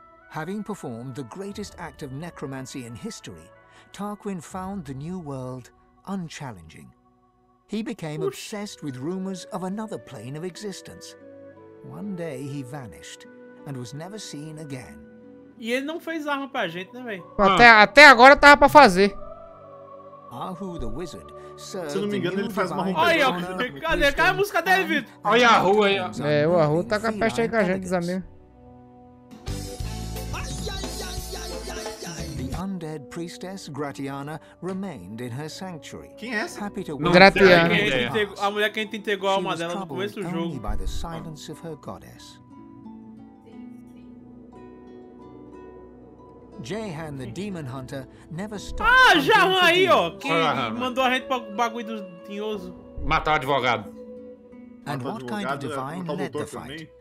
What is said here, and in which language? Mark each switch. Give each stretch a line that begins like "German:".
English: Having performed the greatest act of necromancy in history, Tarquin found the new world unchallenging. He became obsessed with rumors of another plane of existence. One day he vanished and was never seen again.
Portuguese: E ele não fez arma pra gente, né, velho? Até agora tava pra fazer.
English: Ahu the Wizard,
Portuguese: se eu não me engano, ele faz uma roupa. Cadê? Cadê a música dele, Vitor? Olha a rua aí, ó. É, o Ahu tá com a festa aí com a gente, Zamir.
English: Undead priestess Gratiana remained in her sanctuary.
Portuguese: Quem é essa? Gratiana. A mulher que a gente entregou a alma dela no começo do jogo.
English: By the silence of her goddess. Jahan the demon hunter never stopped.
Portuguese: Ah, Jahan aí, ó, que mandou a gente pro bagulho do tinhoso. Matar o advogado.
English: And what kind of divine led the fight